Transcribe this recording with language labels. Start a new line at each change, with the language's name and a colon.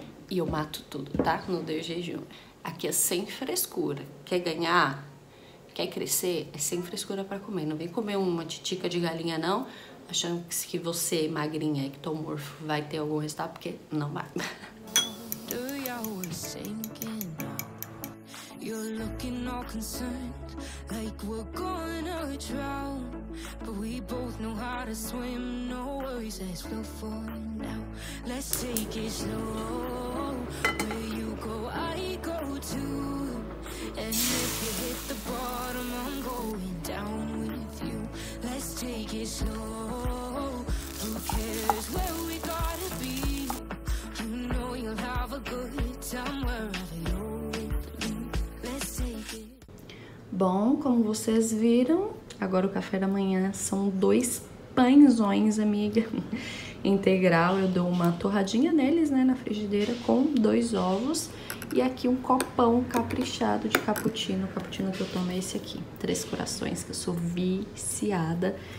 Portuguese: E eu mato tudo, tá? No desjejum. Aqui é sem frescura. Quer ganhar? Quer crescer? É sem frescura para comer. Não vem comer uma titica de galinha, não, achando que você, magrinha, ectomorfo, vai ter algum resultado, porque não vai.
English: Do your sinking now? You're looking all concerned, like we're gonna drown. But we both know how to swim, no worries as we're falling now. Let's take it slow, where you go, I go too. And if you hit the bottom, I'm going down with you. Let's take it slow. Who cares where we gotta be? You know you'll have a good time wherever you're with me. Let's take it.
Portuguese: Bom, como vocês viram, agora o café da manhã são 2 pãezões, amiga. Integral, eu dou uma torradinha neles, né, na frigideira, com 2 ovos. E aqui um copão caprichado de cappuccino. O cappuccino que eu tomo é esse aqui, 3 Corações, que eu sou viciada.